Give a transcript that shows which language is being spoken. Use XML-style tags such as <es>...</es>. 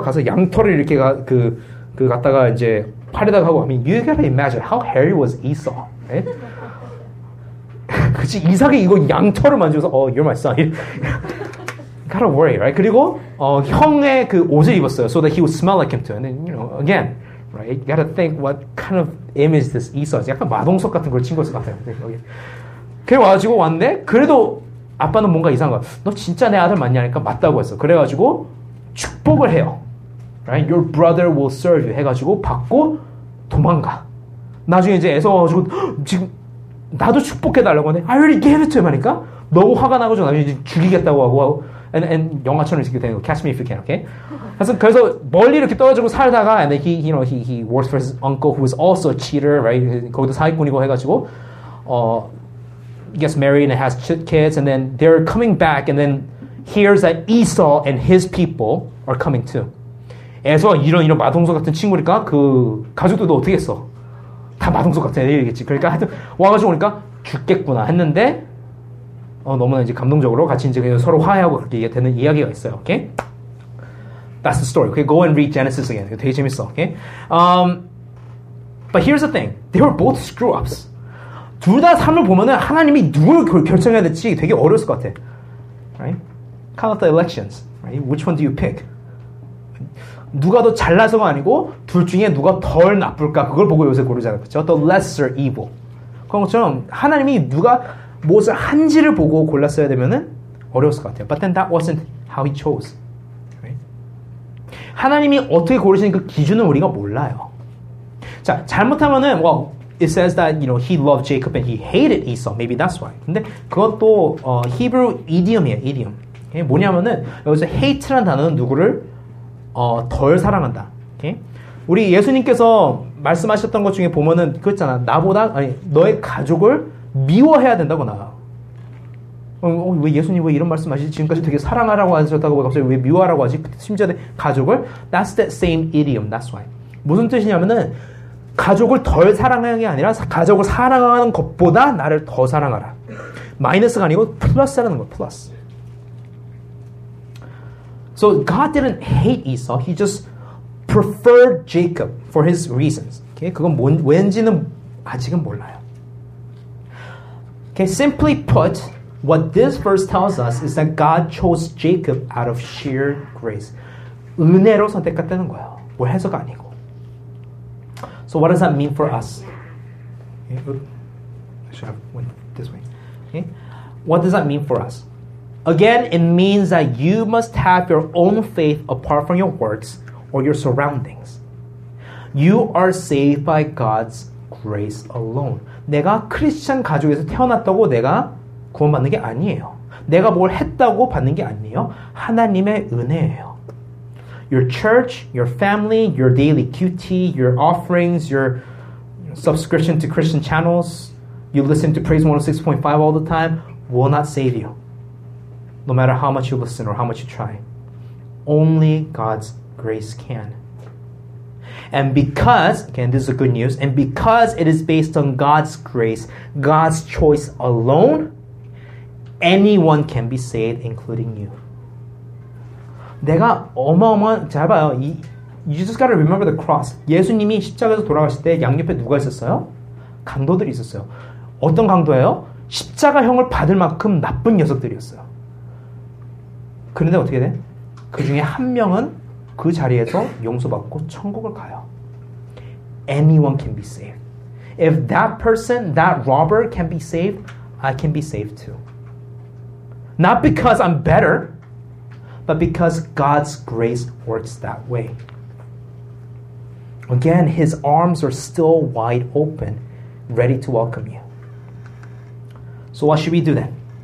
<ko>가서 양털을 이렇게 그 갖다가 이제 팔에다가 하고 하면</ko> <en>you gotta imagine how hairy was Esau.</en> <ko>네? 그치 이삭이 이거 양털을 만지면서</ko> <en>oh you're my son. gotta worry, right?</en> <ko>그리고 형의 그 옷을 입었어요.</ko> <en>So that he would smell like him too. And then, you know, again, right? You gotta think what kind of image this Esau is.</en> <ko>약간 마동석 같은 걸 친 것 같아요. 그래 와가지고 왔네. 그래도 아빠는 뭔가 이상한 거야. 너 진짜 내 아들 맞냐? 하니까 맞다고 했어. 그래가지고 축복을 해요.</ko> <en>Right? Your brother will serve you.</en> <ko>해가지고 받고 도망가. 나중에 이제 애서 와가지고 지금 나도 축복해달라고 하네.</ko> <en>I already gave it to him.</en> <ko>하니까 너무 화가 나가지고 나중에 이제 죽이겠다고 하고 and 영화처럼 이렇게 되는 거.</ko> <en>Catch me if you can. Okay?</en> <ko>그래서 멀리 이렇게 떨어지고 살다가</ko> <en>and then he works for his uncle who is also a cheater. Right?</en> <ko>거기도 사기꾼이고 해가지고</ko> <en>gets married and has kids and then they're coming back and then hears that Esau and his people are coming too.</en> <ko>에서 이런 마동석 같은 친구니까 그 가족들도 어떻게 했어? 다 마동석 같은 애들이겠지. 그러니까 하여튼 와가지고 오니까 죽겠구나 했는데 너무나 이제 감동적으로 같이 이제 그냥 서로 화해하고 그렇게 되는 이야기가 있어요.</ko> <en>Okay? That's the story. Okay, go and read Genesis again.</en> <ko>되게 재밌어.</ko> <en>Okay? But here's the thing. They were both screw-ups.</en> <ko>둘 다 삶을 보면은 하나님이 누굴 결정해야 될지 되게 어려웠을 것 같아.</ko> <en>Right? Count up the elections. Right? Which one do you pick?</en> <ko>누가 더 잘나서가 아니고 둘 중에 누가 덜 나쁠까 그걸 보고 요새 고르잖아요. 그렇죠?</ko> <en>The lesser evil.</en> <ko>그런 것처럼 하나님이 누가 무엇을 한지를 보고 골랐어야 되면은 어려웠을 것 같아요.</ko> <en>But then that wasn't how he chose. Right?</en> <ko>하나님이 어떻게 고르시는 그 기준은 우리가 몰라요. 자, 잘못하면은 뭐</ko> <en>It says that, you know, he loved Jacob and he hated Esau. Maybe that's why.</en> <ko>근데 그것도</ko> <en>Hebrew idiom이에요, idiom.</en> <ko>이게 뭐냐면은 여기서 hate라는 단어는 누구를 덜 사랑한다. 오케이? 우리 예수님께서 말씀하셨던 것 중에 보면은 그랬잖아. 나보다 아니 너의 가족을 미워해야 된다고 나와. 왜 예수님 왜 이런 말씀하시지? 지금까지 되게 사랑하라고 하셨다고 왜 갑자기 왜 미워하라고 하지? 심지어 내 가족을</ko> <en>that's the same idiom. That's why.</en> <ko>무슨 뜻이냐면은 가족을 덜 사랑하는 게 아니라 가족을 사랑하는 것보다 나를 더 사랑하라. 마이너스가 아니고 플러스라는 거. 플러스.</ko> <en>So God didn't hate Esau. He just preferred Jacob for his reasons. Okay?</en> <ko>그건 뭔 왠지는 아직은 몰라요.</ko> <en>Okay, simply put, what this verse tells us is that God chose Jacob out of sheer grace.</en> <ko>은혜로 선택했다는 거예요. 뭐 해석 아니고.</ko> <en>So what does that mean for us? Okay. I should have went this way. Okay. What does that mean for us? Again, it means that you must have your own faith apart from your works or your surroundings. You are saved by God's grace alone.</en> <ko>내가 크리스천 가족에서 태어났다고 내가 구원받는 게 아니에요. 내가 뭘 했다고 받는 게 아니에요. 하나님의 은혜예요.</ko> <en>Your church, your family, your daily QT, your offerings, your subscription to Christian channels, you listen to Praise 106.5 all the time, will not save you. No matter how much you listen or how much you try. Only God's grace can. And because, again, this is the good news, and because it is based on God's grace, God's choice alone, anyone can be saved, including you.</en> <ko>내가 어마어마한 잘 봐요.</ko> <en>You just gotta remember the cross.</en> <ko>예수님이 십자가에서 돌아가실 때 양옆에 누가 있었어요? 강도들이 있었어요. 어떤 강도예요? 십자가형을 받을 만큼 나쁜 녀석들이었어요. 그런데 어떻게 돼? 그 중에 한 명은 그 자리에서 용서받고 천국을 가요.</ko> <en>Anyone can be saved. If that person, that robber can be saved, I can be saved too. Not because I'm better, but because God's grace works that way. Again, his arms are still wide open, ready to welcome you. So what should we do then?</en>